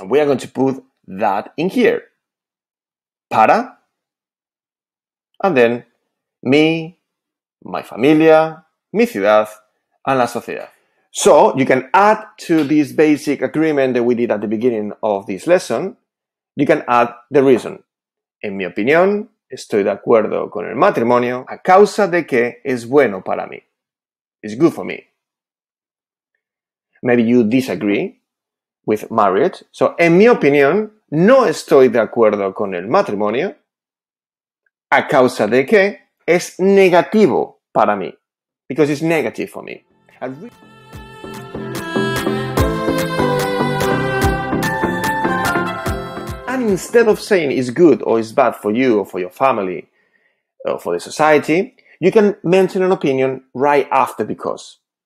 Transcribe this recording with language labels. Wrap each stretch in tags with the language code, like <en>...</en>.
<en>And we are going to put that in here. Para. And then, me, my familia,</en> <es>mi ciudad,</es> <en>and</en> <es>la sociedad.</es> <en>So, you can add to this basic agreement that we did at the beginning of this lesson, you can add the reason.</en> <es>En mi opinión, estoy de acuerdo con el matrimonio a causa de que es bueno para mí.</es> <en>It's good for me. Maybe you disagree with marriage. So,</en> <es>en mi opinión, no estoy de acuerdo con el matrimonio a causa de que es negativo para mí.</es> <en>Because it's negative for me. And instead of saying it's good or it's bad for you or for your family or for the society, you can mention an opinion right after because.</en>